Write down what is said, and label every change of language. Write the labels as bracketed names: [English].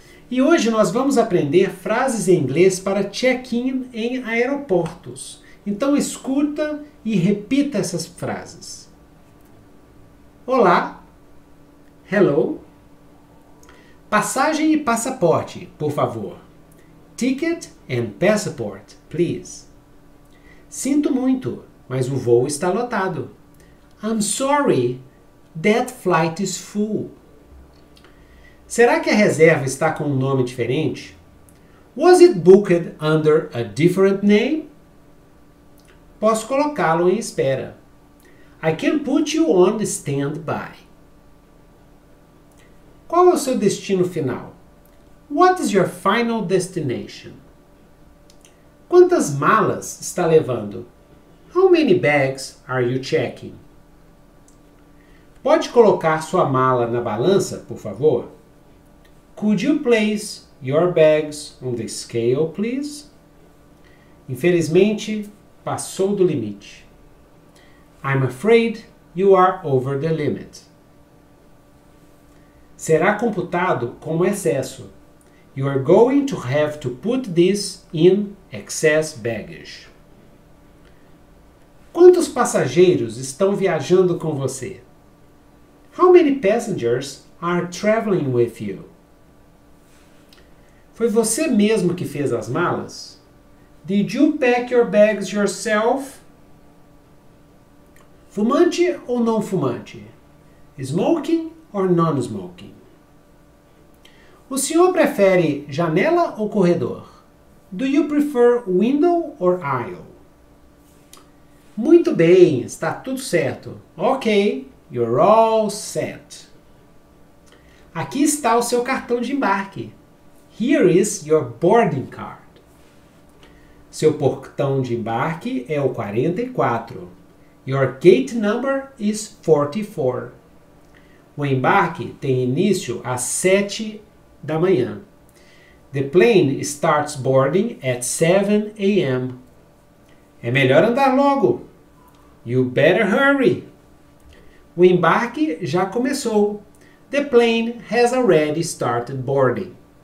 [Portuguese] E hoje nós vamos aprender frases em inglês para check-in em aeroportos. Então escuta e repita essas frases. Olá. [English] Hello. [Portuguese] Passagem e passaporte, por favor. [English] Ticket and passport, please. [Portuguese] Sinto muito, mas o voo está lotado. [English] I'm sorry, that flight is full. [Portuguese] Será que a reserva está com um nome diferente? [English] Was it booked under a different name? [Portuguese] Posso colocá-lo em espera. [English] I can put you on standby. [Portuguese] Qual é o seu destino final? [English] What is your final destination? [Portuguese] Quantas malas está levando? [English] How many bags are you checking? [Portuguese] Pode colocar sua mala na balança, por favor? [English] Could you place your bags on the scale, please? [Portuguese] Infelizmente, passou do limite. [English] I'm afraid you are over the limit. [Portuguese] Será computado como excesso. [English] You are going to have to put this in excess baggage. [Portuguese] Quantos passageiros estão viajando com você? [English] How many passengers are traveling with you? [Portuguese] Foi você mesmo que fez as malas? [English] Did you pack your bags yourself? [Portuguese] Fumante ou não fumante? [English] Smoking or non-smoking? [Portuguese] O senhor prefere janela ou corredor? [English] Do you prefer window or aisle? [Portuguese] Muito bem, está tudo certo. [English] Ok, you're all set. [Portuguese] Aqui está o seu cartão de embarque. [English] Here is your boarding card. [Portuguese] Seu portão de embarque é o 44. [English] Your gate number is 44. [Portuguese] O embarque tem início às 7 da manhã. [English] The plane starts boarding at 7 a.m. [Portuguese] É melhor andar logo. [English] You better hurry. [Portuguese] O embarque já começou. [English] The plane has already started boarding.